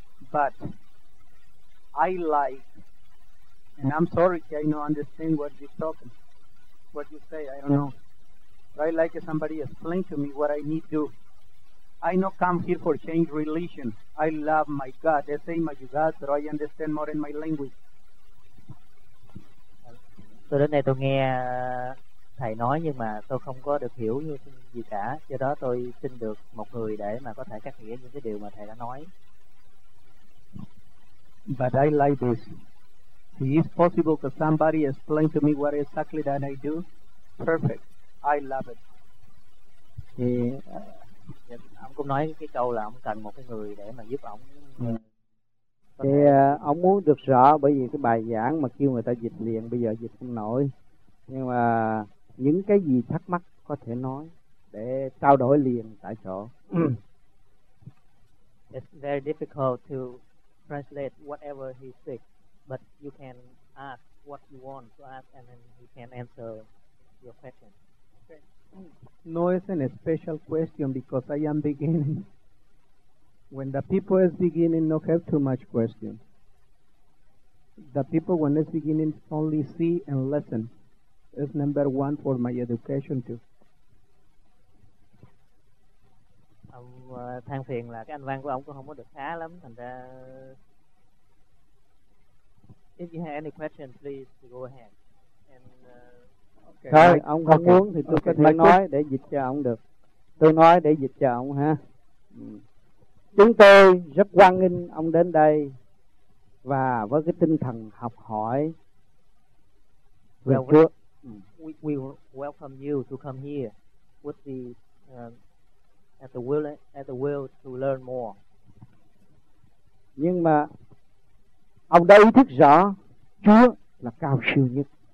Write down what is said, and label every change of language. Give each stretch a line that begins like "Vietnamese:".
English: But I like, and I'm sorry, I don't understand what you're talking, what you say, I don't know. But I like if somebody explain to me what I need to do. I not come here for change religion. I love my God. They say my God, but I understand more in my language.
Vietnamese: Tôi đến đây tôi nghe thầy nói nhưng mà tôi không có được hiểu như gì cả. Do đó tôi xin được một người để mà có thể cắt nghĩa những cái điều mà thầy đã nói.
English: But I like this. It's possible that somebody explain to me what exactly that I do. Perfect. I love it.
Vietnamese: Thì ông cũng nói cái câu là ông cần một cái người để mà giúp ông. Thì ông muốn được rõ bởi vì cái bài giảng mà kêu người ta dịch liền bây giờ dịch không nổi. Nhưng mà những cái gì thắc mắc có thể nói để trao đổi liền tại chỗ.
English: It's very difficult to translate whatever he speaks, but you can ask what you want to ask and then he can answer your question. No, it's a special question because I am beginning. When the people is beginning, no have too much question. The people when it's beginning only see and listen. It's number one for my education too.
Vietnamese: Ông than phiền là cái anh văn của ông cũng không có được khá lắm, thành ra.
English: If you have any question, please go ahead.
Vietnamese: Thôi, ông không muốn thì tôi có thể nói để dịch cho ông được. Tôi nói để dịch cho ông ha. Chúng tôi rất hoan nghênh ông đến đây và với cái tinh thần học hỏi về Chúa.
English: We welcome you to come here with the at the will to learn more.
Vietnamese: Nhưng mà ông đã ý thức rõ Chúa là cao siêu nhất.